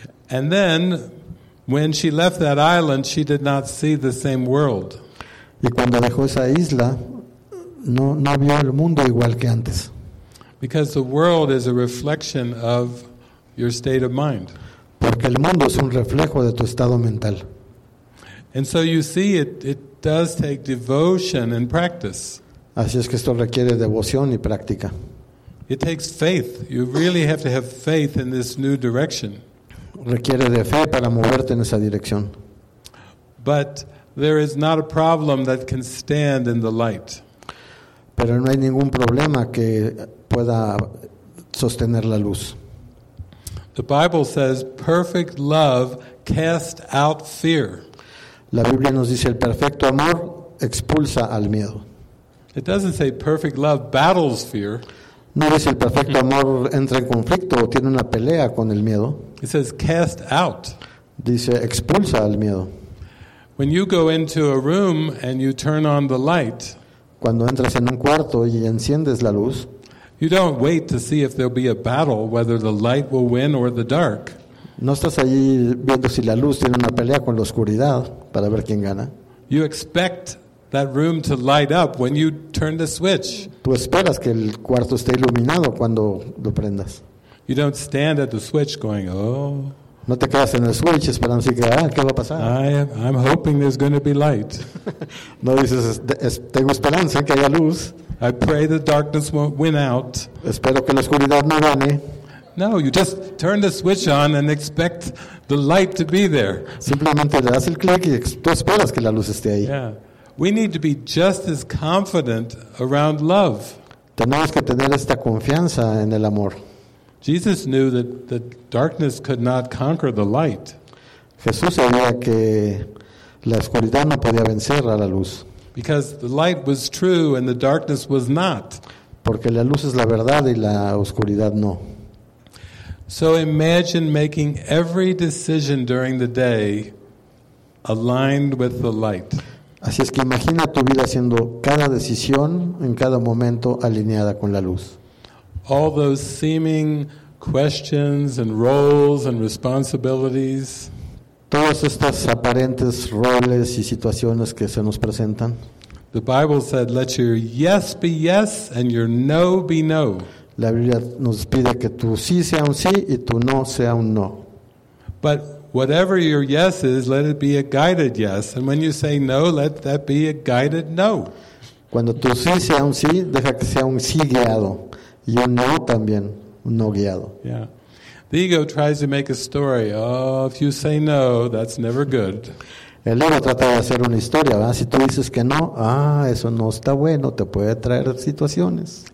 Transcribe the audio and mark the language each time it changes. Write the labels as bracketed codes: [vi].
[en] And then, when she left that island, she did not see the same world. [es] Y cuando dejó esa isla, no vio el mundo igual que antes. [en] Because the world is a reflection of your state of mind. [es] Porque el mundo es un reflejo de tu estado mental. [en] And so you see, it does take devotion and practice. [es] Así es que esto requiere devoción y práctica. [en] It takes faith. You really have to have faith in this new direction. [es] Requiere de fe para moverte en esa dirección. [en] But there is not a problem that can stand in the light. [es] Pero no hay ningún problema que pueda sostener la luz. [en] The Bible says perfect love casts out fear. [es] La Biblia nos dice el perfecto amor expulsa al miedo. [en] It doesn't say perfect love battles fear. [es] No dice el perfecto amor entra en conflicto o tiene una pelea con el miedo. [en] It says cast out. [es] Dice expulsa al miedo. [en] When you go into a room and you turn on the light. [es] Cuando entras en un cuarto y enciendes la luz. [en] You don't wait to see if there'll be a battle, whether the light will win or the dark. [es] No estás allí viendo si la luz tiene una pelea con la oscuridad para ver quién gana. [en] You expect that room to light up when you turn the switch. [es] Tú esperas que el cuarto esté iluminado cuando lo prendas. [en] You don't stand at the switch going, oh. [es] No te quedas en el switch esperando así que, ah, ¿qué va a pasar? [en] I'm hoping there's going to be light. [es] No dices, tengo esperanza que haya luz. [en] I pray the darkness won't win out. [es] Espero que la oscuridad no gane. [en] No, you just turn the switch on and expect the light to be there. [es] Simplemente le das el click y tú esperas que la luz esté ahí. [en] Yeah. We need to be just as confident around love. [es] Tenemos que tener esta confianza en el amor. [en] Jesus knew that the darkness could not conquer the light. [es] Jesús sabía que La oscuridad no podía vencer a la luz. [en] Because the light was true and the darkness was not. [es] Porque la luz es la verdad y la oscuridad no. [en] So imagine making every decision during the day aligned with the light. [es] Así es que imagina tu vida haciendo cada decisión en cada momento alineada con la luz. [en] All those seeming questions and roles and responsibilities. [es] Todas estas aparentes roles y situaciones que se nos presentan. [en] The Bible said, "Let your yes be yes and your no be no." [es] La Biblia nos pide que tu sí sea un sí y tu no sea un no. [en] But whatever your yes is, let it be a guided yes, and when you say no, let that be a guided no. [es] Cuando tu sí sea un sí, deja que sea un sí guiado y un no también un no guiado. [en] Yeah. The ego tries to make a story. Oh, if you say no, that's never good. [es] El ego trata de hacer una historia, ¿verdad? Si tú dices que no, eso no está bueno, te puede traer situaciones.